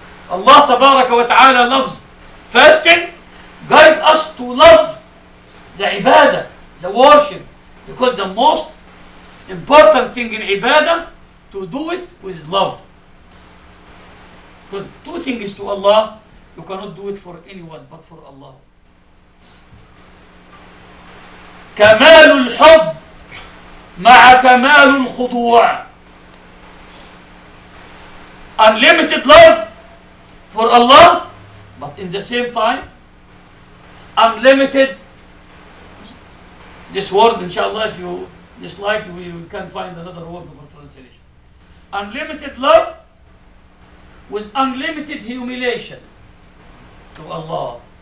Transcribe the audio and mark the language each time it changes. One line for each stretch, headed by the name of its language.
English: Allah tabaraka wa ta'ala loves fasting, guide us to love the ibadah, the worship, because the most important thing in ibadah, to do it with love. Because two things to Allah, you cannot do it for anyone but for Allah.
Arabic: كمال الحب مع كمال الخضوع.
English: Unlimited love for Allah, but in the same time, unlimited, this word, inshallah, if you dislike, we can find another word for translation. Unlimited love with unlimited humiliation to Allah.